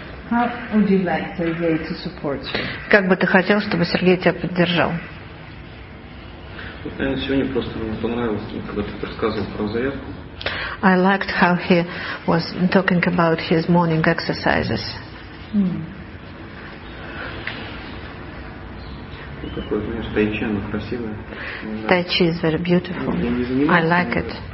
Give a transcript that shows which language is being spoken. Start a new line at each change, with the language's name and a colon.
English: How would you like Sergei to support you?
Russian: Как бы ты хотел, чтобы Сергей тебя поддержал? Сегодня просто мне понравилось, когда ты рассказывал про заявку.
English: I liked how he was talking about his morning exercises. Tai Chi is very beautiful. I like it.